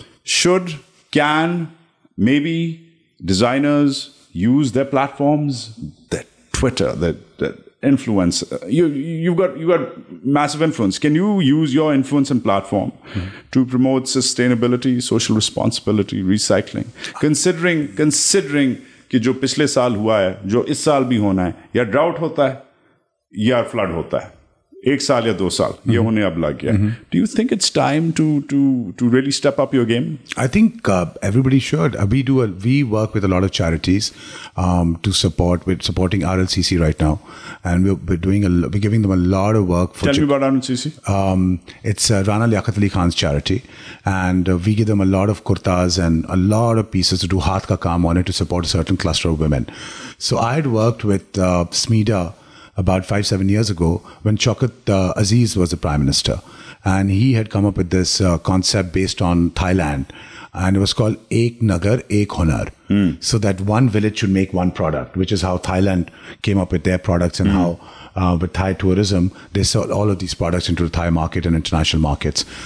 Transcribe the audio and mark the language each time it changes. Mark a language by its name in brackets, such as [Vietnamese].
[English] Should, can, maybe designers use their platforms, their Twitter, their influence? You've got massive influence. Can you use your influence and platform to promote sustainability, social responsibility, recycling? [Urdu] Considering کہ جو پچھلے سال ہوا ہے, جو اس سال بھی ہونا ہے, یا ڈراؤٹ ہوتا ہے یا فلڈ ہوتا ہے, ایک سال یا دو سال یہ ہونے اب لگ گیا. [English] Do you think it's time to really step up your game? I think everybody should. We work with a lot of charities to support, with supporting R L C C right now, and we doing we giving them a lot of work. Tell me about R L C C. It's Rana Liaquat Ali Khan charity, and we give them a lot of kurtas and a lot of pieces to do [Urdu] ہاتھ کا کام [English] On it to support certain cluster of women. So I had worked with SMEDA about 5-7 years ago when Chokat Aziz was the prime minister, and he had come up with this concept based on Thailand, and it was called Ek Nagar Ek Hunar. So that one village should make one product, which is how Thailand came up with their products, and how with Thai tourism they sold all of these products into the Thai market and international markets.